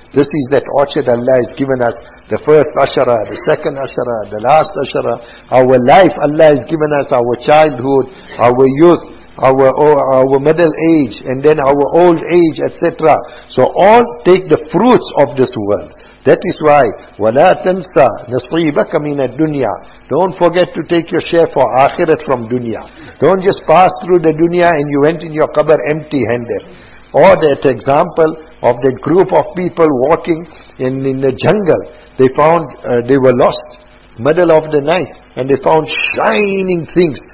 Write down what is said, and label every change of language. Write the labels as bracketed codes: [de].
[en] This is that orchard Allah has given us. The first ashara, the second ashara, the last ashara. Our life Allah has given us, our childhood, our youth, our middle age, and then our old age, etc. So all take the fruits of this world. That is why, [ar] وَلَا تَنْسَى نَصِيبَكَ مِنَ الدُّنْيَا. [en] Don't forget to take your share for akhirat from dunya. Don't just pass through the dunya and you went in your qabr empty-handed. Or that example of that group of people walking in the jungle. They found, they were lost, middle of the night, and they found shining things.